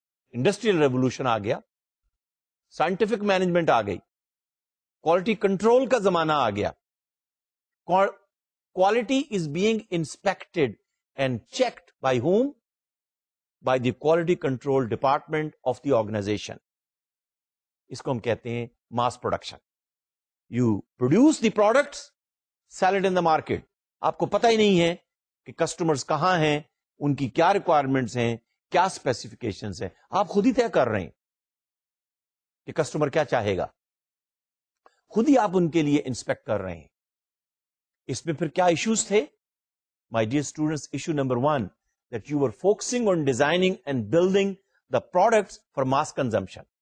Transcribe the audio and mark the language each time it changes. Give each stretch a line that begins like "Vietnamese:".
Urdu: Industrial revolution آ گیا, scientific management آ گئی, quality control کا زمانہ آ گیا.
English: Quality is being inspected and checked by whom? By the quality control department of the organisation.
Urdu: اس کو ہم کہتے ہیں mass production.
English: You produce the products, sell it in the market.
Urdu: آپ کو پتہ ہی نہیں ہے کہ کسٹمرز کہاں ہیں, ان کی کیا ریکوائرمنٹس ہیں, کیا اسپیسیفکیشنز ہیں. آپ خود ہی طے کر رہے ہیں کہ کسٹمر کیا چاہے گا, خود ہی آپ ان کے لیے انسپیکٹ کر رہے ہیں. اس میں پھر کیا ایشوز تھے
English: My dear students? Issue number one, that you are focusing on designing and building the products for mass consumption.